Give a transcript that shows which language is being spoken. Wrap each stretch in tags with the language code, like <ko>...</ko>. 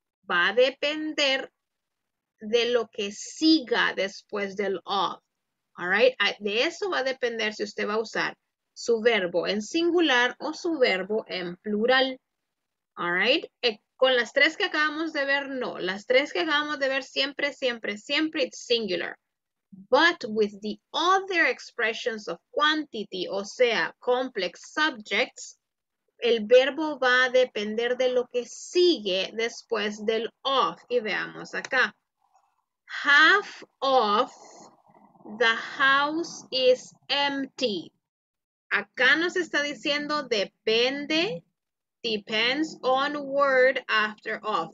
<es>Va a depender de lo que siga después del of. All right, de eso va a depender si usted va a usar su verbo en singular o su verbo en plural. All right, con las tres que acabamos de ver, no. Las tres que acabamos de ver siempre,</es> <en>it's singular. But with the other expressions of quantity,</en> <es>o sea,</es> <en>complex subjects,</en> <es>el verbo va a depender de lo que sigue después del of. Y veamos acá.</es> <en>Half of the house is empty.</en> <es>Acá nos está diciendo depende,</es> <en>depends on word after of.</en>